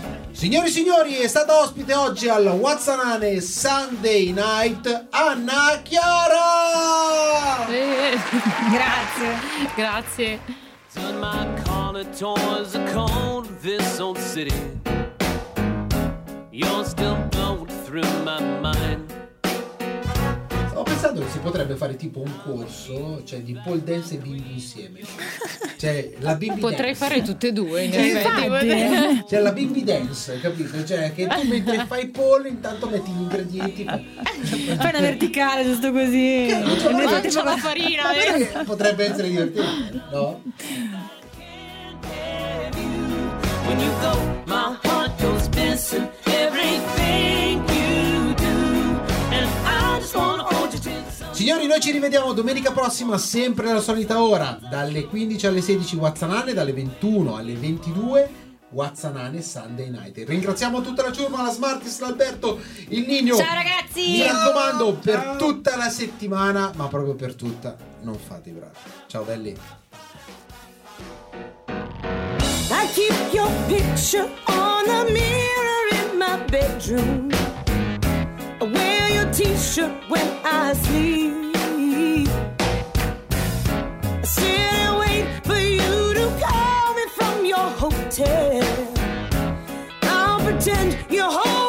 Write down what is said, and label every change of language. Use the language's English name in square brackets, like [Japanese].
[Italian] Signori e signori, è stata ospite oggi al Wazzanane Sunday Night Anna Chiara! Grazie, grazie. [English] Turn my collar towards the cold, this old city. You're still going through my mind. [Italian] Ho pensato che si potrebbe fare tipo un corso, cioè di pole dance e bimbi insieme. Cioè la bimbi dance. Potrei fare tutte e due. Cioè la bimbi dance, capito? Cioè che tu mentre fai pole intanto metti gli ingredienti. Fai una verticale giusto così. Cioè, non c'è la farina. Potrebbe essere divertente, no? Signori, noi ci rivediamo domenica prossima, sempre alla solita ora, dalle 15 alle 16 Wazzanane, dalle 21 alle 22 Wazzanane Sunday Night. Ringraziamo tutta la ciurma, la Smartis, l'Alberto, il Nino. Ciao ragazzi! Mi raccomando, per ciao. Tutta la settimana, ma proprio per tutta, non fate i bravi. Ciao belli! [English] I keep your picture on a mirror in my bedroom. I wear your t-shirt when I sleep. I sit and wait for you to call me from your hotel. I'll pretend you're home.